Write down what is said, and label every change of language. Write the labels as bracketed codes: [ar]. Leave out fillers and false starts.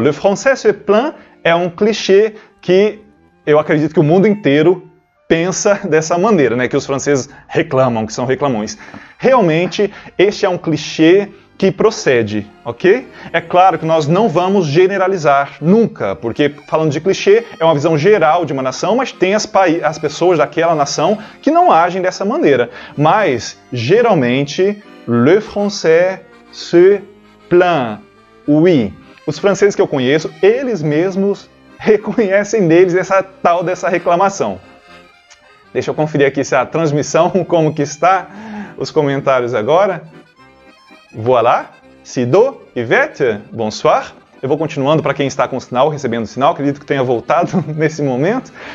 [fr] Le français se plaint [pt] é um clichê que eu acredito que o mundo inteiro pensa dessa maneira, né? Que os franceses reclamam, que são reclamões. Realmente, este é um clichê que procede, ok? É claro que nós não vamos generalizar nunca, porque falando de clichê, é uma visão geral de uma nação, mas tem as pessoas daquela nação que não agem dessa maneira. Mas, geralmente, [fr] le français se plaint, oui. [pt] Os franceses que eu conheço, eles mesmos reconhecem neles essa tal dessa reclamação. Deixa eu conferir aqui se a transmissão, como que está os comentários agora. Voilà, Sido, Yvette, bonsoir. Eu vou continuando para quem está com o sinal, recebendo o sinal, acredito que tenha voltado nesse momento.